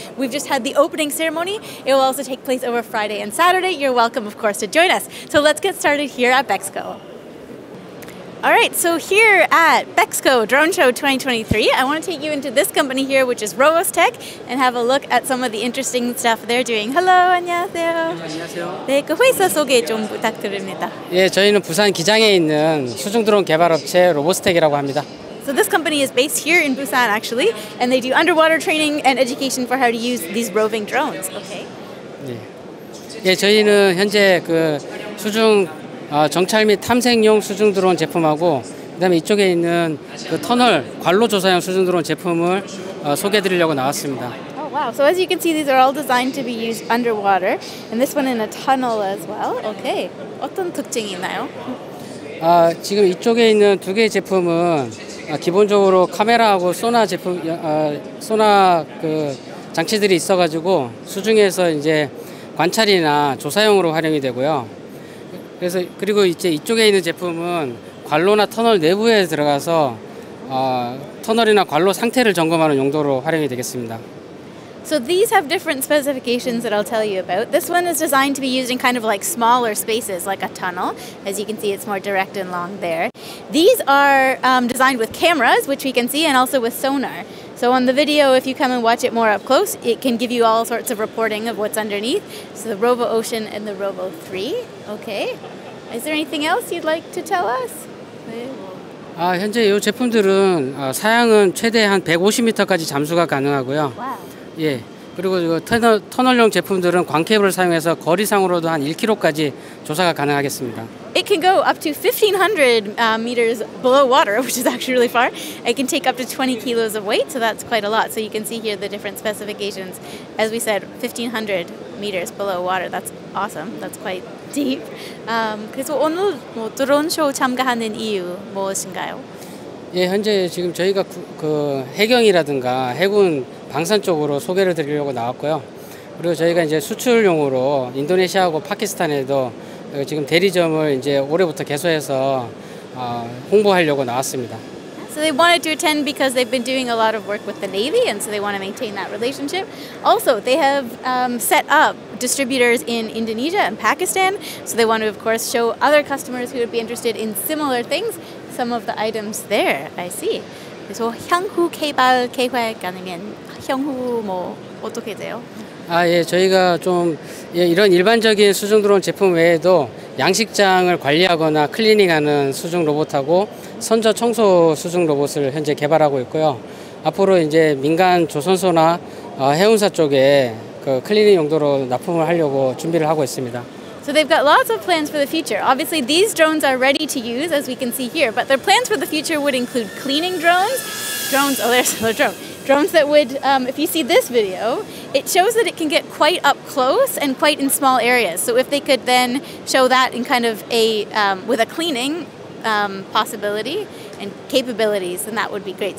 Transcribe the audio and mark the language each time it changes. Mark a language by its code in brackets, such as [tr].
[en] We've just had the opening ceremony. It will also take place over Friday and Saturday. You're welcome, of course, to join us. So let's get started here at Bexco. All right, so here at Bexco Drone Show 2023, I want to take you into this company here, which is Roboscope, and have a look at some of the interesting stuff they're doing. Hello, [ko] 안녕하세요. 안녕하세요. 네, 그 회사 소개 좀 부탁드립니다. 예, 저희는 부산 기장에 있는 수중드론 개발 업체 로보스텍이라고 합니다. [en] So this company is based here in Busan, actually, and they do underwater training and education for how to use these roving drones. Okay. [ko] 예. 예, 저희는 현재 그 수중 정찰 및 탐색용 수중 드론 제품하고 그다음에 이쪽에 있는 그 터널 관로 조사용 수중 드론 제품을 소개드리려고 나왔습니다. [en] Oh wow! So as you can see, these are all designed to be used underwater, and this one in a tunnel as well. [ko] Okay. 어떤 특징이 있나요? 아 지금 이쪽에 있는 두 개의 제품은 기본적으로 카메라하고 소나 제품 소나 그 장치들이 있어가지고 수중에서 이제 관찰이나 조사용으로 활용이 되고요. 그래서 그리고 이제 이쪽에 있는 제품은 관로나 터널 내부에 들어가서 터널이나 관로 상태를 점검하는 용도로 활용이 되겠습니다. [en] So these have different specifications that I'll tell you about. This one is designed to be used in kind of like smaller spaces, like a tunnel. As you can see, it's more direct and long there. These are designed with cameras, which we can see, and also with sonar. So on the video, if you come and watch it more up close, it can give you all sorts of reporting of what's underneath. So the Robo Ocean and the Robo 3. Okay. Is there anything else you'd like to tell us? [ko] 아, 현재 이 제품들은 사양은 최대 한 150m까지 잠수가 가능하고요. [en] Wow. [ko] 예, 그리고 터널용 제품들은 광케이블을 사용해서 거리상으로도 한 1km까지 조사가 가능하겠습니다. [en] It can go up to 1500 meters below water, which is actually really far. It can take up to 20 kilos of weight, so that's quite a lot. So you can see here the different specifications. As we said, 1500 meters below water, that's awesome. That's quite deep. [ko] 그래서 오늘 뭐 드론쇼 참가하는 이유 무엇인가요? 예, 현재 지금 저희가 그 해경이라든가 해군 방산 쪽으로 소개를 드리려고 나왔고요. 그리고 저희가 이제 수출용으로 인도네시아하고 파키스탄에도 지금 대리점을 이제 올해부터 개소해서 홍보하려고 나왔습니다. [en] So they wanted to attend because they've been doing a lot of work with the Navy and so they want to maintain that relationship. Also, they have set up distributors in Indonesia and Pakistan, so they want to of course show other customers who would be interested in similar things some of the items there. I see. [ko] 그래서 향후 개발 계획 아니면 향후 뭐 어떻게 돼요? 아 예, 저희가 좀 예, 이런 일반적인 수중 드론 제품 외에도 양식장을 관리하거나 클리닝하는 수중 로봇하고 선저 청소 수중 로봇을 현재 개발하고 있고요. 앞으로 이제 민간 조선소나 해운사 쪽에 그 클리닝 용도로 납품을 하려고 준비를 하고 있습니다. [en] So they've got lots of plans for the future. Obviously, these drones are ready to use, as we can see here, but their plans for the future would include cleaning drones. Drones, oh, there's another drone. Drones that would, if you see this video, it shows that it can get quite up close and quite in small areas. So if they could then show that in kind of a, with a cleaning possibility and capabilities, then that would be great.